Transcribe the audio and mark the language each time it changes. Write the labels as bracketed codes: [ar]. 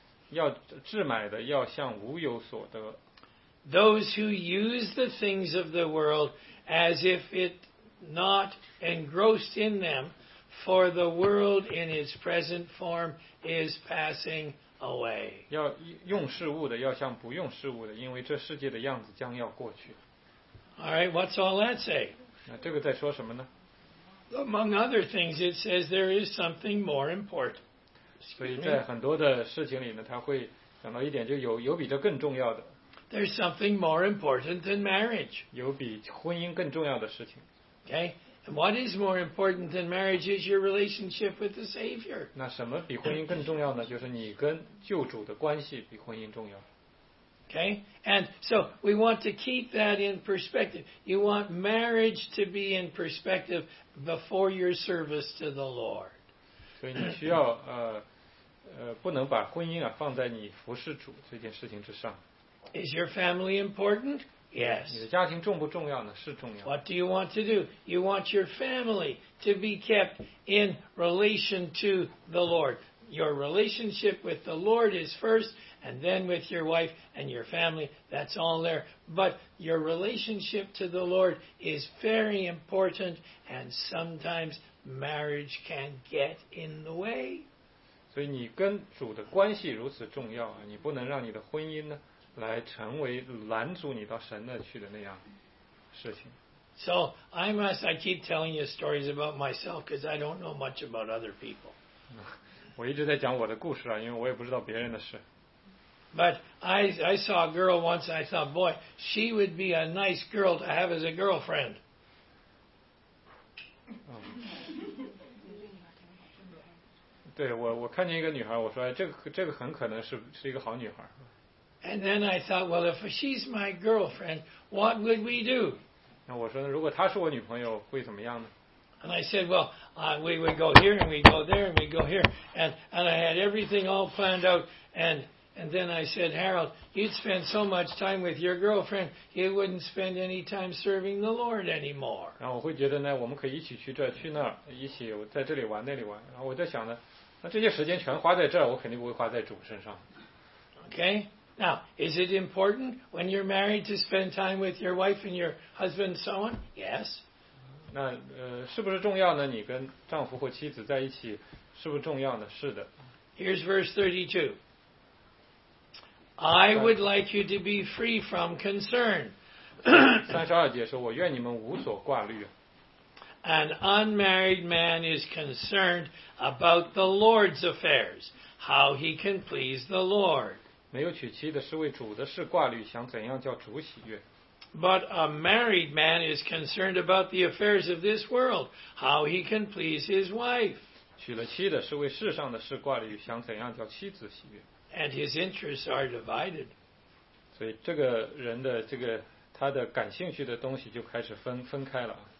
[zh] 要置买的要像无有所得。 [en] Those who use the things of the world as if it not engrossed in them, for the world in its present form is passing away. [zh] 要用事物的要像不用事物的，因为这世界的样子将要过去。 [en] All right, what's all that say? [zh] 那这个在说什么呢？ [en] Among other things, it says there is something more important. [zh] 所以在很多的事情里呢，他会讲到一点，就有比这更重要的。 [en] There's something more important than marriage. [zh] 有比婚姻更重要的事情。 [en] Okay, and what is more important than marriage is your relationship with the Savior. [zh] 那什么比婚姻更重要呢？就是你跟救主的关系比婚姻重要。 [en] Okay, and so we want to keep that in perspective. You want marriage to be in perspective before your service to the Lord. [zh] 所以你需要不能把婚姻啊放在你服侍主这件事情之上。 [en] Is your family important? Yes. [zh] 你的家庭重不重要呢？是重要。 [en] What do you want to do? You want your family to be kept in relation to the Lord. Your relationship with the Lord is first, and then with your wife and your family. That's all there. But your relationship to the Lord is very important, and sometimes marriage can get in the way. [zh] 所以你跟主的关系如此重要啊，你不能让你的婚姻呢来成为拦阻你到神那去的那样事情。 [en] So I keep telling you stories about myself because I don't know much about other people. [zh] 我一直在讲我的故事啊，因为我也不知道别人的事。 [en] But I saw a girl once and I thought, boy, she would be a nice girl to have as a girlfriend. [zh] 对，我看见一个女孩，我说这个很可能是一个好女孩。 [en] And then I thought, well, if she's my girlfriend, what would we do? [zh] 那我说呢，如果她是我女朋友，会怎么样呢？ [en] And I said, well, we would go here and we go there and we go here, and I had everything all planned out. And then I said, Harold, you'd spend so much time with your girlfriend, you wouldn't spend any time serving the Lord anymore. [zh] 然后我会觉得呢，我们可以一起去这去那儿，一起在这里玩那里玩。然后我在想呢，那这些时间全花在这儿，我肯定不会花在主身上。 [en] Okay. Now, is it important when you're married to spend time with your wife and your husband and so on? Yes. [zh] 那是不是重要呢？你跟丈夫或妻子在一起，是不是重要呢？是的。 [en] Here's verse 32. I would like you to be free from concern. [zh] 32节说，我愿你们无所挂虑。 [en] An unmarried man is concerned about the Lord's affairs, how he can please the Lord. [zh] 没有娶妻的是为主的事挂虑，想怎样叫主喜悦。 [en] But a married man is concerned about the affairs of this world, how he can please his wife. [zh] 娶了妻的是为世上的事挂虑，想怎样叫妻子喜悦。 [en] And his interests are divided. [zh] 所以这个人的这个他的感兴趣的东西就开始分开了。